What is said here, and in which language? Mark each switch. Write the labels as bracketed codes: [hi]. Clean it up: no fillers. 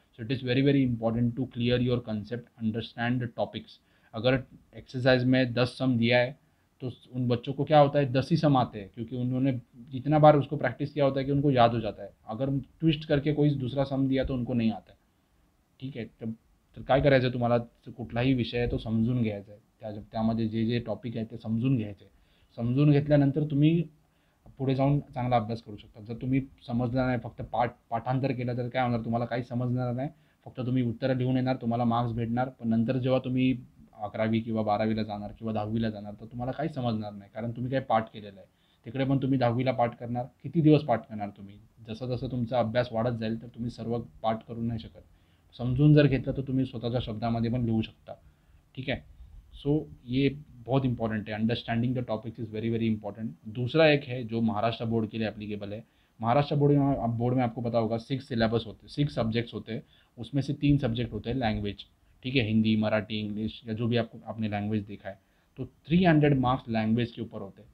[en] So it is very very important to clear your concept understand the topics. [hi] अगर exercise में 10 सम दिया है तो उन बच्चों को क्या होता है 10 ही सम आते हैं क्योंकि उन्होंने जितना बार उसको प्रैक्टिस किया होता है कि उनको याद हो जाता है। अगर ट्विस्ट करके कोई दूसरा सम दिया तो उनको नहीं आता है। [mr] ठीक है तो काय करायचं आहे तुम्हाला कुठलाही विषय आहे तो समजून घ्यायचा आहे त्या त्यामध्ये जे जे टॉपिक आहे ते समजून घ्यायचे आहे। समजून घेतल्यानंतर तुम्ही पुढे जाऊन चांगला अभ्यास करू शकता। जर तुम्ही समजणार नाही फक्त पाठांतर केलं तर काय होणार तुम्हाला काही समजणार नाही फक्त तुम्ही उत्तरं लिहून येणार तुम्हाला मार्क्स भेटणार पण नंतर जेव्हा तुम्ही 11वी किंवा 12वीला जाणार किंवा 10वीला जाणार तर तुम्हाला काही समजणार नाही कारण तुम्ही काही पाठ केलेलं आहे। तिकडे पण तुम्ही 10वीला पाठ करणार किती दिवस पाठ करणार तुम्ही जसं जसं तुमचा अभ्यास वाढत जाईल तर तुम्ही सर्व पाठ करू नाही शकत। समजून जर घेतलं तर तुम्ही स्वतःच्या शब्दामध्ये पण लिहू शकता। ठीक आहे [hi] सो ये बहुत इंपॉर्टेंट है [en] Understanding the topics is very very important. [hi] दूसरा एक है जो महाराष्ट्र बोर्ड के लिए एप्लीकेबल है। महाराष्ट्र बोर्ड में आपको पता होगा 6 सिलेबस होते हैं 6 सब्जेक्ट्स होते हैं उसमें से 3 सब्जेक्ट होते हैं लैंग्वेज। ठीक है हिंदी मराठी इंग्लिश या जो भी आपने लैंग्वेज देखा है तो 300 मार्क्स लैंग्वेज के ऊपर होते हैं।